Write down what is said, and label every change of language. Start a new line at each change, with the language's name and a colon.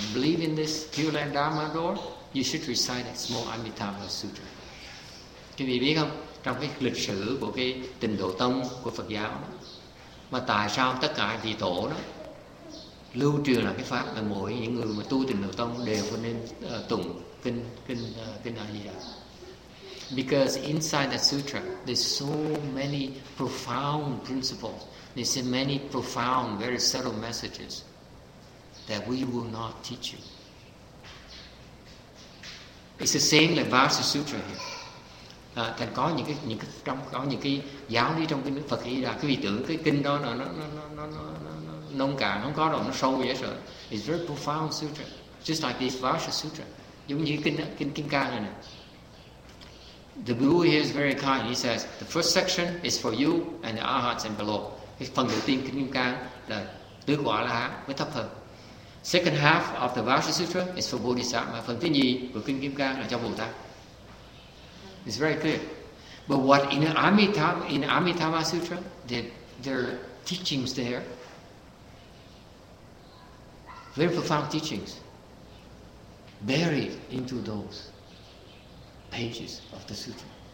English: You believe in this Pure Land Dharma door? You should recite a small Amitabha Sutra.
Vietnamese: Quý vị biết không, trong cái lịch sử của cái tịnh độ tông của Phật giáo đó, mà tại sao tất cả vị tổ đó lưu truyền là cái pháp là mỗi những người mà tu tịnh độ tông đều có nên tụng kinh A Di Đà.
English: Because inside that sutra there's so many profound principles, there's so many profound, very subtle messages that we will not teach you. It's the same like Vajra Sutra here.
Vietnamese: Thành có những cái giáo lý trong cái nước Phật A Di Đà, cái vị tưởng cái kinh đó nó nông cạn, không có đâu, nó sâu dễ sợ.
English: It's very profound sutra. just like this Vajra Sutra.
Vietnamese: Giống như kinh Kim Cang này nè.
English: The guru here is very kind. He says the first section is for you and the arhats and below.
Vietnamese: Phần đầu tiên kinh Kim Cang là tứ quả la hán với thập phần.
English: Second half of the Vajra Sutra is for Bodhisattva.
Vietnamese: Phần thứ nhì của kinh Kim Cang là cho Bồ Tát.
English: It's very clear. But what in Amitabha Sutra, their teachings there, very profound teachings, buried into those pages of the sutra.